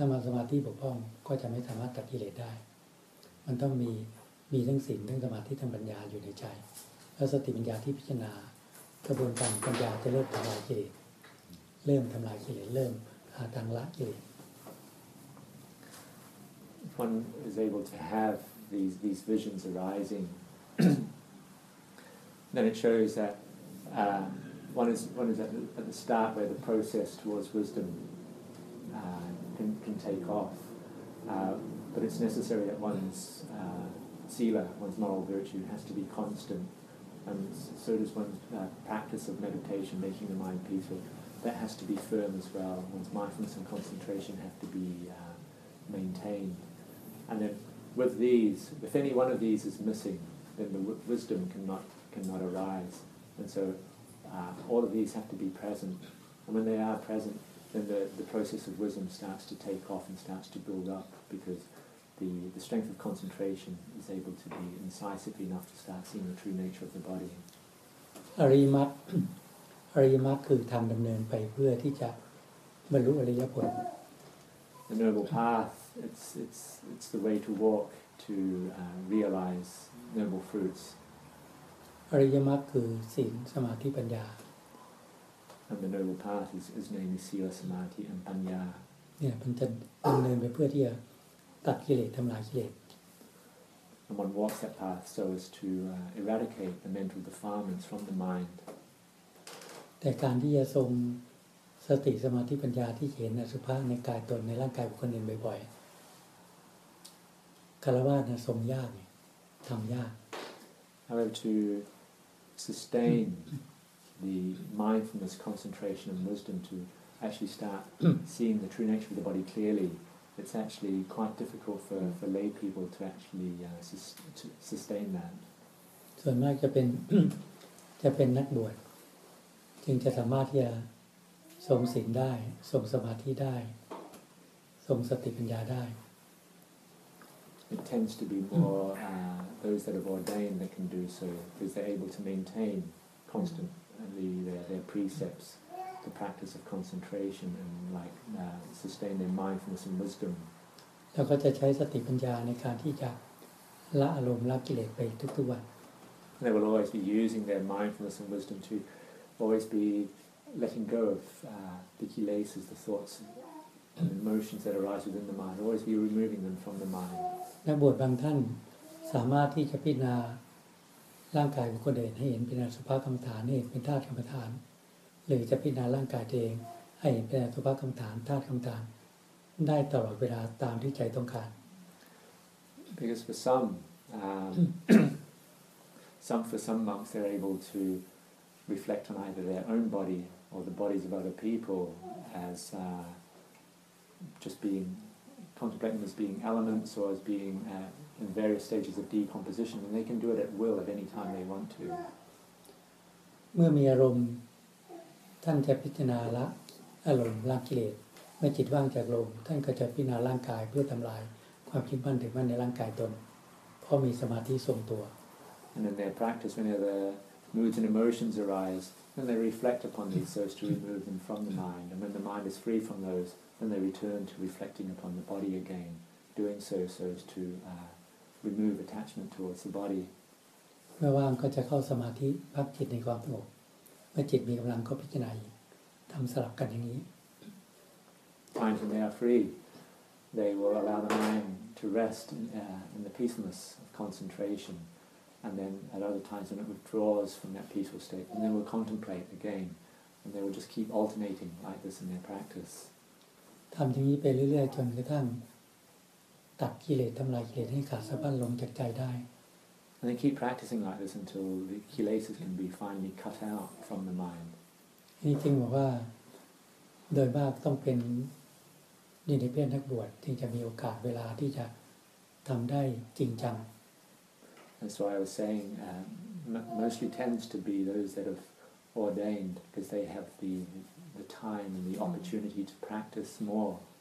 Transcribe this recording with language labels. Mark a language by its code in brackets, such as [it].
[th] ถ้ามาสมาธิบกพร่องก็จะไม่สามารถตัดกิเลสได้มันต้องมีทั้งศีลทั้งสมาธิทั้งปัญญาอยู่ในใจแล้วสติปัญญาที่พิจารณากระบวนการปัญญาจะเริ่มทำลายกิเลสเริ่มทำลายกิเลสเริ่มหาทางละกิเลส [en] If one is able to have these visions arising, then it shows that one is at the start where the process towards wisdom can take off. But it's necessary that one's sila, one's moral virtue, has to be constant, and so does one's practice of meditation, making the mind peaceful. That has to be firm as well. One's mindfulness and concentration have to be maintained. And then with these, if any one of these is missing, then the wisdom cannot arise. And so all of these have to be present. And when they are present, then the process of wisdom starts to take off and starts to build up, because the strength of concentration is able to be incisive enough to start seeing the true nature of the body. [th] Ariyamak คือทางดำเนินไปเพื่อที่จะบรรลุอริยผล [en] The Noble Path. It's the way to walk to realize noble fruits. [th] อริยมรรคคือศีลสมาธิปัญญา [en] And the noble path is namely sila samadhi and panya. [th] เนี่ยมันจะดำเนินไปเพื่อที่จะตัดกิเลสทำลายกิเลส [en] And one walks that path so as to eradicate the mental defilements from the mind. [th] แต่การที่จะทรงสติสมาธิปัญญาที่เห็นอสุภะในกายตนในร่างกายบุคคลอื่นบ่อยๆคารวะนะทรงยากทำยาก [en] However, to sustain the mindfulness, concentration, and wisdom to actually start seeing the true nature of the body clearly, it's actually quite difficult for lay people to actually to sustain that. [th] ส่วนมากจะเป็นนักบวชจึงจะสามารถที่จะทรงศีลได้ทรงสมาธิได้ทรงสติปัญญาได้ [en] It tends to be more those that have ordained that can do so, because they're able to maintain constantly their precepts, the practice of concentration, and like sustain their mindfulness and wisdom. [th] แล้วก็จะใช้สติปัญญาในการที่จะละอารมณ์ละกิเลสไปทุกวัน [en] They will always be using their mindfulness and wisdom to always be letting go of the kilesas, the thoughts and emotions that arise within the mind. Always be removing them from the mind. [th] นักบวชบางท่านสามารถที่จะพิจารณาร่างกายของคนเดินให้เห็นเป็นอสุภกรรมฐานให้เห็นเป็นธาตุกรรมฐานหรือจะพิจารณาร่างกายเองให้เห็นเป็นอสุภกรรมฐานธาตุกรรมฐานได้ตลอดเวลาตามที่ใจต้องการ [en] Because for some monks they're able to reflect on either their own body or the bodies of other people as just beingContemplating as being elements or as being in various stages of decomposition, and they can do it at will at any time they want to. [th] เมื่อมีอารมณ์ท่านจะพิจารณาละอารมณ์ละกิเลสเมื่อจิตว่างจากอารมณ์ท่านก็จะพิจารณาร่างกายเพื่อทำลายความคิดมั่นถือมั่นในร่างกายตนเพราะมีสมาธิทรงตัว [en] And in their practice, whenever the moods and emotions arise, then they reflect upon these so as to remove them from the mind. And when the mind is free from those. Then they return to reflecting upon the body again, doing so so as to remove attachment towards the body. [th] เมื่อว่างก็จะเข้าสมาธิพักจิตในความสงบเมื่อจิตมีกำลังก็พิจารณาทำสลับกันอย่างนี้ [en] Time when they are free, they will allow the mind to rest in the peacefulness of concentration, and then at other times when it withdraws from that peaceful state, and then will contemplate again, and they will just keep alternating like this in their practice. [th] ทำอย่างนี้ไปเรื่อยๆจนกระทั่งตัดกิเลสทำลายกิเลสให้ขาดสะบั้นลงจากใจได้ [en] And they keep practicing like this until the kilesas can be finally cut out from the mind. [th] นี่จริงบอกว่าโดยมากต้องเป็นนิเทศนักบวชที่จะมีโอกาสเวลาที่จะทำได้จริงจัง [en] That's why I was saying mostly tends to be those that have ordained because they have the time and the opportunity to practice more.